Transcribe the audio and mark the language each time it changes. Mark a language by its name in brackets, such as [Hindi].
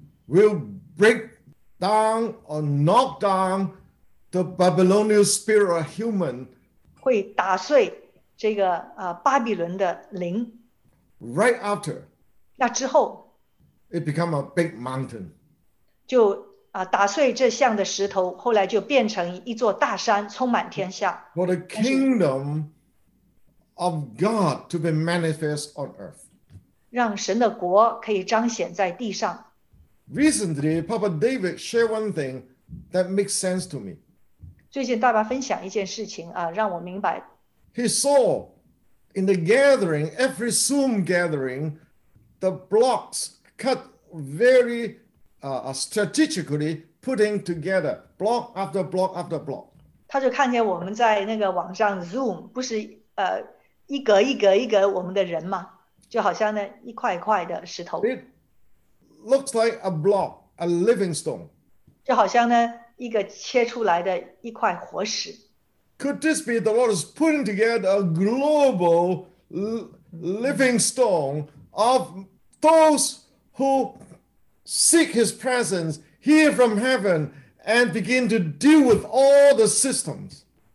[English] ，Will break down or knock down the Babylonian spirit of human， [Chinese] 会打碎这个巴比伦的灵 [English] ，Right after， [Chinese] 那之后 [English] ，It become a big mountain， [Chinese] 就。打碎这像的石头后来就变成一座大山充满天下。 [English] For the kingdom of God to be manifest on earth. [Chinese] 让神的国可以彰显在地上。 [English] Recently, Papa David shared one thing that makes sense to me. [Chinese] 最近大家分享一件事情啊，让我明白。 [English] He saw in the gathering, every Zoom gathering, the blocks cut very strategically, putting together block after block after block. [Chinese] 他就看见我们在那个网上 Zoom 不是一格一格我们的人嘛，就好像那一块一块的石头。 [English] It looks like a block, a living stone. [Chinese] 就好像呢一个切出来的一块活石。 [English] Could this be the Lord is putting together a global living stone of those who seek His presence, hear from heaven, and begin to deal with all the systems?